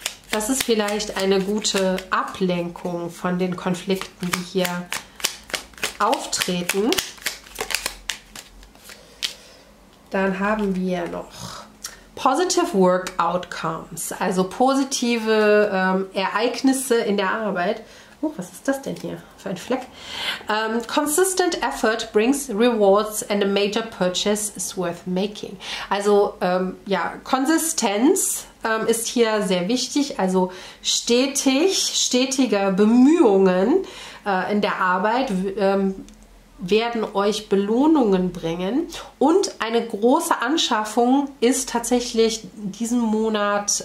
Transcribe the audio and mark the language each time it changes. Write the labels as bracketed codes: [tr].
[de] Das ist vielleicht eine gute Ablenkung von den Konflikten, die hier auftreten. Dann haben wir noch [en] positive work outcomes, [de] also positive Ereignisse in der Arbeit. Oh, was ist das denn hier für ein Fleck? [en] Consistent effort brings rewards and a major purchase is worth making. [de] Also ja, Konsistenz ist hier sehr wichtig. Also stetige Bemühungen in der Arbeit werden euch Belohnungen bringen. Und eine große Anschaffung ist tatsächlich diesen Monat.